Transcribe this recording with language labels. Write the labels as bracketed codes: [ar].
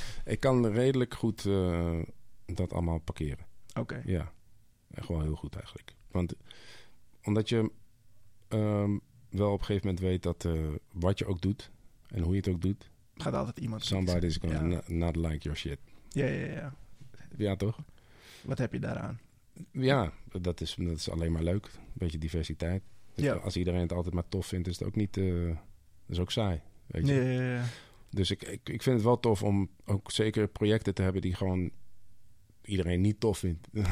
[nl] Ik kan redelijk goed dat allemaal parkeren. Oké. Okay. Ja. Echt wel heel goed eigenlijk. Want omdat je wel op een gegeven moment weet dat wat je ook doet. En hoe je het ook doet. Gaat altijd iemand. [en] Somebody is gonna not like your shit. [nl] Ja, ja, ja. Ja, toch? Wat heb je daaraan? Ja, dat is alleen maar leuk. Een beetje diversiteit. Dus yeah. Als iedereen het altijd maar tof vindt, is het ook niet... is ook saai, weet je. [en] Yeah, yeah, yeah. [nl] Dus ik vind het wel tof om ook zeker projecten te hebben die gewoon iedereen niet tof vindt.